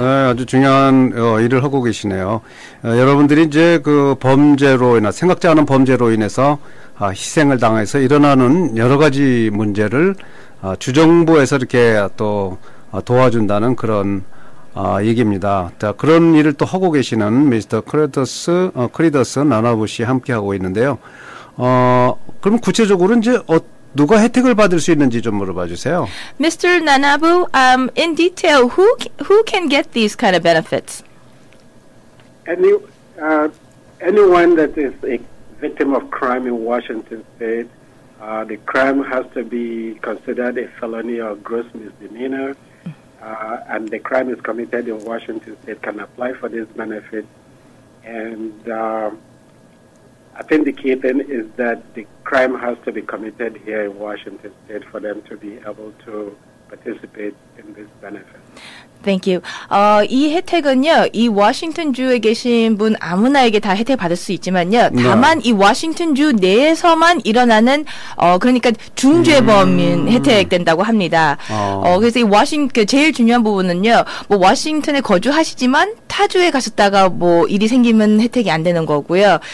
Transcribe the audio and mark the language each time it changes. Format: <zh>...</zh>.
<ko>네, 아주 중요한 일을 하고 계시네요. 여러분들이 이제 그 범죄로 인해 생각지 않은 범죄로 인해서 희생을 당해서 일어나는 여러 가지 문제를 주정부에서 이렇게 또 도와준다는 그런 얘기입니다. 자, 그런 일을 또 하고 계시는 미스터 크리더스 나나부 씨 함께 하고 있는데요. 그럼 구체적으로 이제 누가 혜택을 받을 수 있는지 좀 물어봐 주세요.</ko> <en>Mr. Nnanabu, in detail, who can get these kind of benefits? Anyone that is a victim of crime in Washington State, the crime has to be considered a felony or gross misdemeanor. And the crime is committed in Washington State can apply for this benefit. And I think the key thing is that the crime has to be committed here in Washington State for them to be able to participate in this benefit. Thank you.</en> <ko>이 혜택은요, 이 워싱턴 주에 계신 분 아무나에게 다 혜택 받을 수 있지만요, 다만 이 워싱턴 주 내에서만 일어나는 그러니까 중죄범인 혜택 된다고 합니다. 그래서 이 워싱턴 제일 중요한 부분은요, 뭐 워싱턴에 거주하시지만 타 주에 가셨다가 뭐 일이 생기면 혜택이 안 되는 거고요.</ko>